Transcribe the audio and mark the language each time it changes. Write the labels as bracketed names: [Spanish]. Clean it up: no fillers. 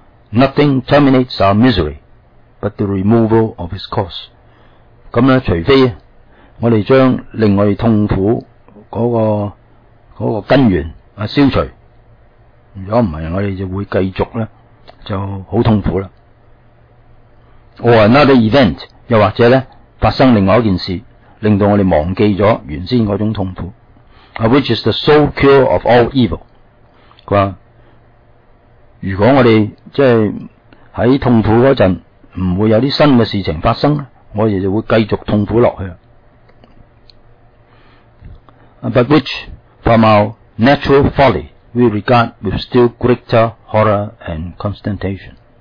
[English] Nothing terminates our misery but the removal of its cause。 [Cantonese] 咁咧，除非我哋將令我哋痛苦嗰個根源消除，如果唔係，我哋就會繼續咧就好痛苦啦。 [English] Or another event， [Cantonese] 又或者咧發生另外一件事，令到我哋忘記咗原先嗰種痛苦。 [English] Which is the sole cure of all evil？ [Cantonese] 佢話：如果我哋即係喺痛苦嗰陣唔會有啲新嘅事情發生，我哋就會繼續痛苦落去。 [English] But which, from our natural folly, we regard with still greater horror and consternation.